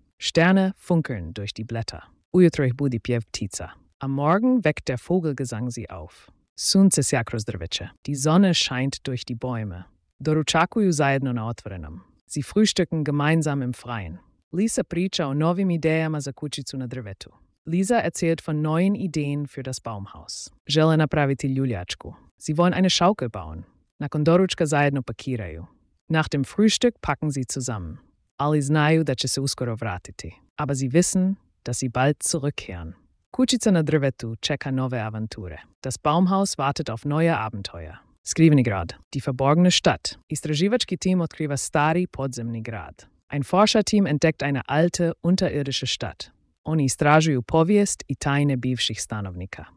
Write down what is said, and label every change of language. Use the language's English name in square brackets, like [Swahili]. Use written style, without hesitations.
[German] Sterne funkeln durch die Blätter. [Croatian] Ujutro ih budi pjev ptica. [German] Am Morgen weckt der Vogelgesang sie auf. [Croatian] Sunce sja kroz drveće. [German] Die Sonne scheint durch die Bäume. [Croatian] Doručakuju zajedno na otvorenom. [German] Sie frühstücken gemeinsam im Freien. [Croatian] Lisa priča o novim idejama za kućicu na drvetu. [German] Lisa erzählt von neuen Ideen für das Baumhaus. [Croatian] Žele napraviti ljuljačku. [German] Sie wollen eine Schaukel bauen. [Croatian] Nakon doručka zajedno pakiraju. [German] Nach dem Frühstück packen sie zusammen. [Croatian] Ali znaju da će se uskoro vratiti. [German] Aber sie wissen, dass sie bald zurückkehren. [Croatian] Kućica na drvetu čeka nove avanture. [German] Das Baumhaus wartet auf neue Abenteuer. [Croatian] Skriveni grad. [German] Die verborgene Stadt. [Croatian] Istraživački tim otkriva stari podzemni grad. [German] Ein Forscherteam entdeckt eine alte, unterirdische Stadt. [Croatian] Oni istražuju povijest i tajne bivših stanovnika.